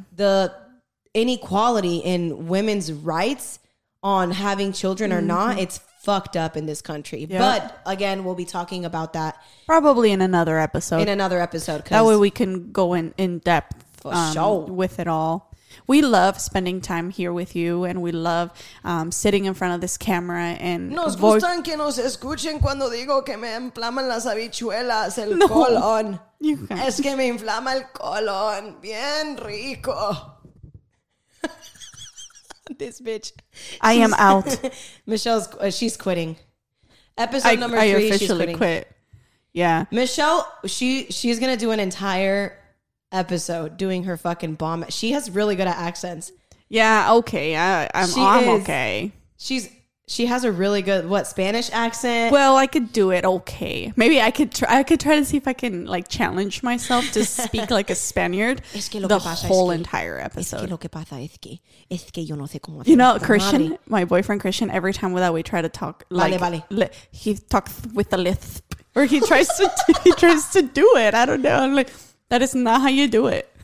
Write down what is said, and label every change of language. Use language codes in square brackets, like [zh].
[en] the inequality in women's rights on having children mm-hmm. or not, it's fucked up in this country. Yep. But again, we'll be talking about that probably in another episode. Cause that way we can go in depth with it all. We love spending time here with you, and we love sitting in front of this camera and [es] nos gustan que nos escuchen cuando digo que me inflaman las habichuelas el no. colon. [en] You can't. [es] Es que me inflama el colon bien rico. [en] This bitch. I am out. Michelle's she's quitting. Episode number three, she's quitting. I officially quit. Yeah. Michelle, she's going to do an entire episode doing her fucking bomb. She has really good at accents. Yeah, okay. I'm okay. She has a really good, Spanish accent? Well, I could do it okay. Maybe I could try to see if I can, like, challenge myself to speak like a Spaniard entire episode. [es] Es que lo que pasa es que yo no sé cómo hacer. [en] You know, Christian, my boyfriend Christian, every time that we try to talk, he talks with a lisp. Or he tries to do it. I don't know. I'm like, that is not how you do it.